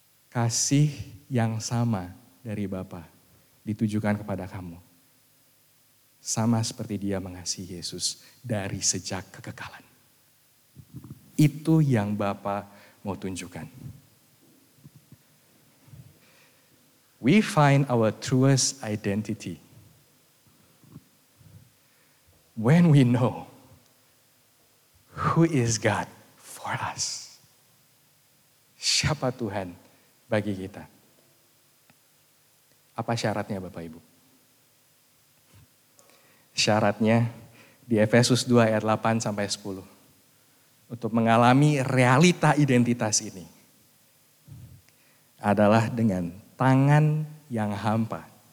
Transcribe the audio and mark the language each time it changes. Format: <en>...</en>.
<id>Kasih yang sama dari Bapa ditujukan kepada kamu. Sama seperti Dia mengasihi Yesus dari sejak kekekalan. Itu yang Bapa mau tunjukkan.</id> <en>We find our truest identity when we know who is God for us.</en> <id>Siapa Tuhan bagi kita? Apa syaratnya Bapak Ibu? Syaratnya di Efesus 2 ayat 8 sampai 10. Untuk mengalami realita identitas ini adalah dengan tangan yang hampa.</id>